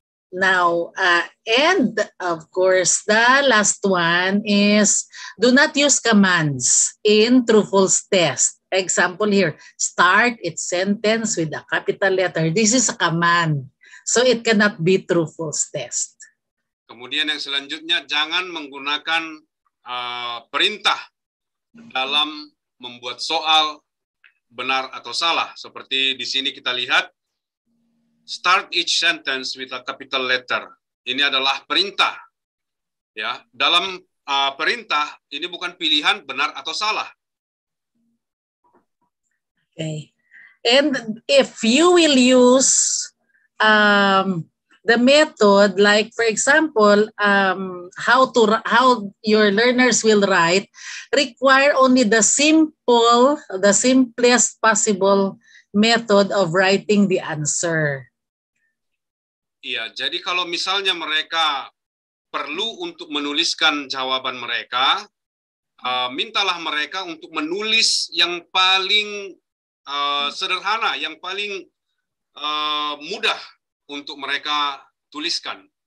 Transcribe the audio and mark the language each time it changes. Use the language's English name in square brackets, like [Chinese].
[English] Now, and of course, the last one is do not use commands in true-false test. Example here, start its sentence with a capital letter. This is a command, so it cannot be true-false test. [Indonesian] Kemudian yang selanjutnya, jangan menggunakan perintah dalam membuat soal benar atau salah. Seperti di sini kita lihat, [English] start each sentence with a capital letter. [Indonesian] Ini adalah perintah. Ya, dalam perintah ini bukan pilihan benar atau salah. [English] Okay. And if you will use the method, like for example, how your learners will write, require only the simplest possible method of writing the answer. [Indonesian] Iya, jadi kalau misalnya mereka perlu untuk menuliskan jawaban mereka, mintalah mereka untuk menulis yang paling sederhana, yang paling mudah untuk mereka tuliskan.